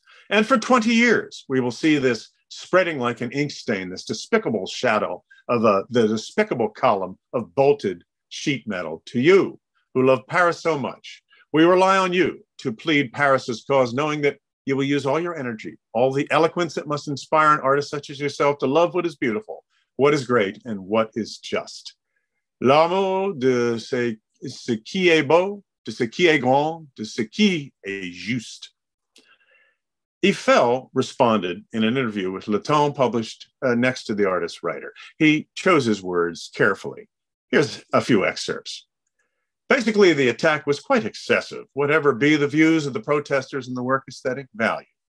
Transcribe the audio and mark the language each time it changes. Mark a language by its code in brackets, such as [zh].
[en] And for 20 years, we will see this spreading like an ink stain, this despicable shadow of the despicable column of bolted sheet metal to you who love Paris so much, We rely on you to plead Paris's cause, knowing that you will use all your energy, all the eloquence that must inspire an artist such as yourself to love what is beautiful, what is great, and what is just. [fr] L'amour de ce qui est beau, de ce qui est grand, de ce qui est juste. [en] Eiffel responded in an interview with Le Temps, published next to the artist's writer. He chose his words carefully. Here's a few excerpts. Basically, the attack was quite excessive, whatever be the views of the protesters and the work aesthetic value.